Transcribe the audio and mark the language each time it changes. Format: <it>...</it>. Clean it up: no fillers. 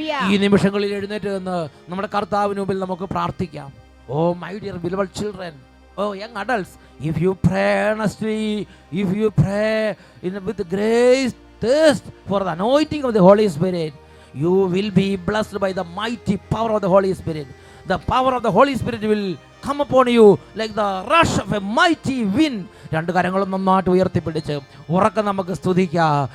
<ml>ഈ നിമിഷങ്ങളിൽ എഴുന്നേറ്റ് നിന്ന് നമ്മുടെ കർത്താവിന് മുമ്പിൽ നമുക്ക് പ്രാർത്ഥിക്കാം.</ml> <en>Oh my dear beloved children, oh young adults, if you pray earnestly, if you pray in with grace thirst for the anointing of the Holy Spirit, you will be blessed by the mighty power of the Holy Spirit. The power of the Holy Spirit will come upon you like the rush of a mighty wind.</en> <ml>രണ്ടു കരങ്ങളും നന്നായിട്ട് ഉയർത്തിപ്പിടിച്ച് ഉറക്കെ നമുക്ക് സ്തുതിക്കാം.</ml>